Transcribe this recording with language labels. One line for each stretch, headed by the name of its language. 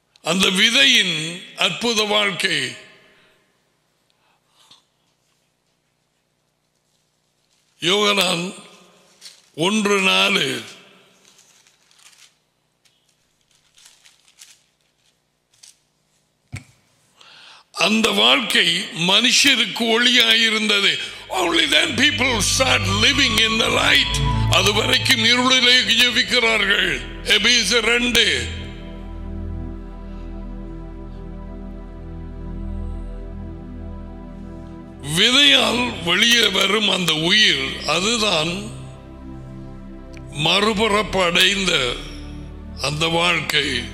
Tamil: அந்த விதையின் அற்புத வாழ்க்கை யோகனான் 1:4. அந்த வாழ்க்கை மனுஷருக்கு ஒளியாயிருந்தது.
English: Only then people start living in the light.
Tamil: அதுவரைக்கும் இருளிலே ஜீவிக்கிறார்கள். எபேசியர் 2, விதையால் வெளியே வரும் அந்த உயிர் அதுதான் மறுபிறப்பு அடைந்த அந்த வாழ்க்கை.